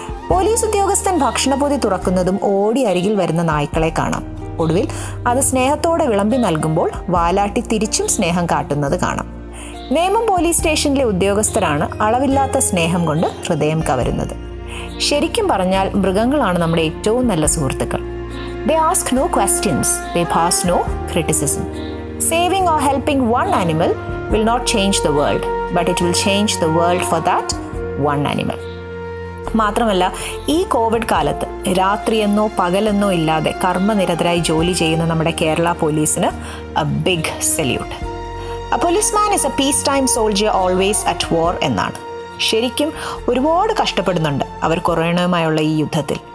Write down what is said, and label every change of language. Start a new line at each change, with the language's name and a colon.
Malayalam: Police ഉദ്യോഗസ്ഥൻ ഭക്ഷണപൊതി തുറക്കുന്നതും ഓടി അരികിൽ വരുന്ന നായ്ക്കളെ കാണാം. ഒടുവിൽ അത് സ്നേഹത്തോടെ വിളമ്പി നൽകുമ്പോൾ വാലാട്ടി തിരിച്ചും സ്നേഹം കാട്ടുന്നത് കാണാം. നേമം പോലീസ് സ്റ്റേഷനിലെ ഉദ്യോഗസ്ഥരാണ് അളവില്ലാത്ത സ്നേഹം കൊണ്ട് ഹൃദയം കവരുന്നത്. ശരിക്കും പറഞ്ഞാൽ മൃഗങ്ങളാണ് നമ്മുടെ ഏറ്റവും നല്ല സുഹൃത്തുക്കൾ.
English: They ask no questions, they pass no criticism. Saving or helping one animal will not change the world, but it will change the world for that one animal.
Malayalam: മാത്രമല്ല, ഈ കോവിഡ് കാലത്ത് രാത്രിയെന്നോ പകലെന്നോ ഇല്ലാതെ കർമ്മനിരതരായി ജോലി ചെയ്യുന്ന നമ്മുടെ കേരള പോലീസിന്
English: A big salute. A policeman is a peace time soldier always at war
Malayalam: എന്നാണ്. ശരിക്കും ഒരുപാട് കഷ്ടപ്പെടുന്നുണ്ട് അവർ കൊറോണയുമായുള്ള ഈ യുദ്ധത്തിൽ.